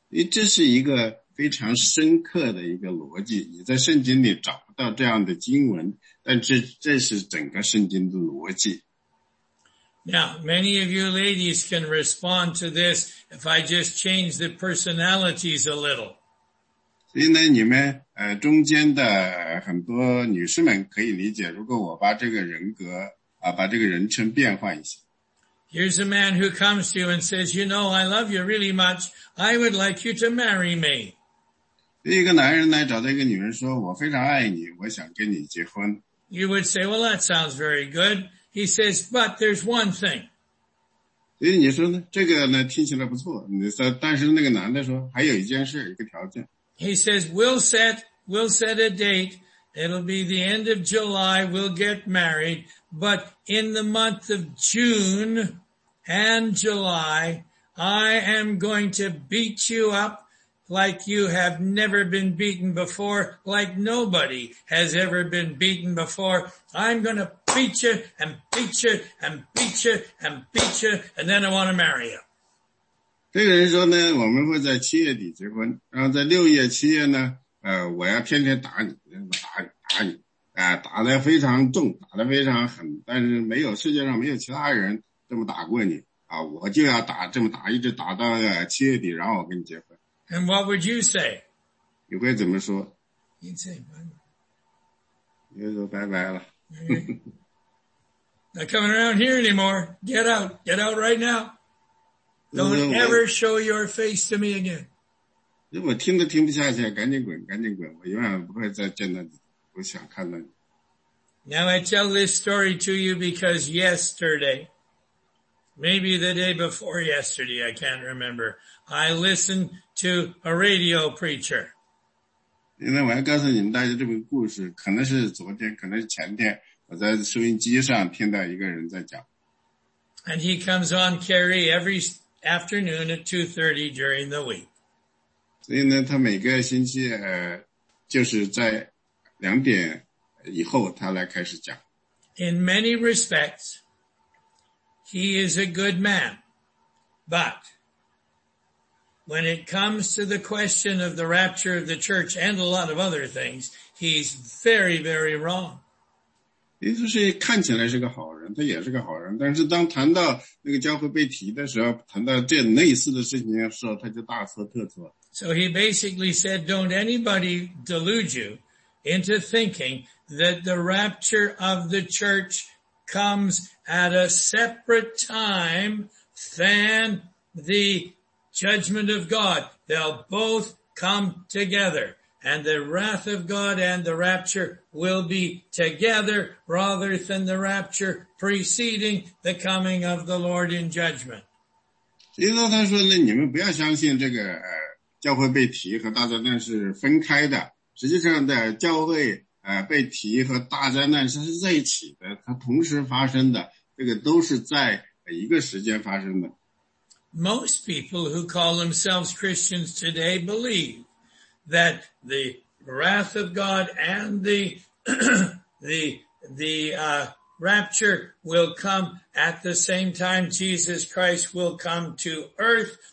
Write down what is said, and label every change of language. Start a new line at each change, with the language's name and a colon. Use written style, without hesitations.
Chinese: 这是一个非常深刻的一个逻辑，你在圣经里找不到这样的经文，但这是整个圣经的逻辑。
English: Now, many of you ladies can respond to this if I just change the personalities a little.
Chinese: 所以呢，你们中间的很多女士们可以理解，如果我把这个人格把这个人称变换一下。
English: Here's a man who comes to you and says, "You know, I love you really much. I would like you to marry me."
Chinese: 一个男人来找到一个女人说，我非常爱你，我想跟你结婚。
English: You would say, well, that sounds very good. He says, but there's one thing.
Chinese: 所以你说呢，这个呢听起来不错，你说，但是那个男的说，还有一件事，一个条件。
English: He says, we'll set a date. It'll be the end of July. We'll get married. But in the month of June and July, I am going to beat you up. Like you have never been beaten before, like nobody has ever been beaten before. I'm gonna beat you and beat you and beat you and beat you, and then I want to marry you.
Chinese: 这个人说呢，我们会在七月底结婚，然后在六月、七月呢，我要天天打你，打你，打得非常重，打得非常狠，但是没有世界上没有其他人这么打过你啊！我就要打这么打，一直打到七月底，然后我跟你结婚。
English: And what would you say?
Chinese: 你会怎么说?
English: You'd say bye bye.
Chinese: 你会说拜拜了。
English: Not coming around here anymore. Get out right now. Don't ever show your face to me again.
Chinese: 我听都听不下去，赶紧滚，我永远不会再见到你，不想看到你。
English: Now I tell this story to you because yesterday,maybe the day before yesterday, I can't remember. I listened to a radio preacher.
Chinese: 因为我要告诉你们大家这个故事，可能是昨天，可能是前天，我在收音机上听到一个人在讲。
English: And he comes on Kerry every afternoon at 2:30 during the week.
Chinese: 所以呢，他每个星期就是在两点以后他来开始讲。
English: In many respects,He is a good man, but when it comes to the question of the rapture of the church and a lot of other things, he's very, very wrong.
Chinese: 耶稣是看起来是个好人，他也是个好人，但是当谈到那个教会被提的时候，谈到这类似的事情的时候，他就大错特错。
English: So he basically said, don't anybody delude you into thinking that the rapture of the church comes at a separate time than the judgment of God. They'll both come together. And the wrath of God and the rapture will be together rather than the rapture preceding the coming of the Lord in judgment.
Chinese: 耶稣他说呢，你们不要相信这个教会被提和大灾难是分开的。实际上的教会被提和大灾难是在一起的，它同时发生的，这个都是在一个时间发生的。
English: Most people who call themselves Christians today believe. That the wrath of God and the rapture will come at the same time Jesus Christ will come to earth.